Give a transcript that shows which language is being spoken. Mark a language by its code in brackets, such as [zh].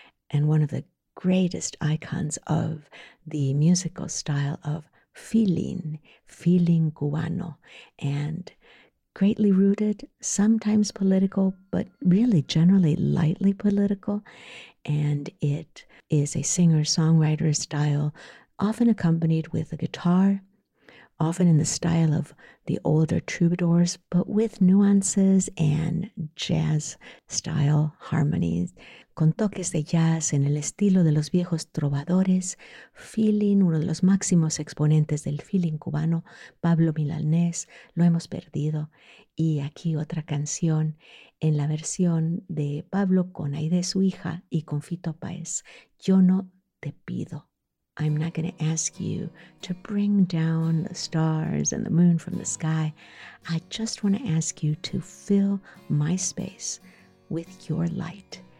[en] and one of the greatest icons of the musical style of feeling cubano, and greatly rooted, sometimes political, but really generally lightly political. And it is a singer-songwriter style, often accompanied with a guitar, often in the style of the older troubadours, but with nuances and jazz-style harmonies. [es] Con toques de jazz en el estilo de los viejos trovadores, feeling, uno de los máximos exponentes del feeling cubano, Pablo Milanés, lo hemos perdido. Y aquí otra canción en la versión de Pablo con Aide, su hija, y con Fito Páez. Yo no te pido. [en] I'm not going to ask you to bring down the stars and the moon from the sky. I just want to ask you to fill my space with your light.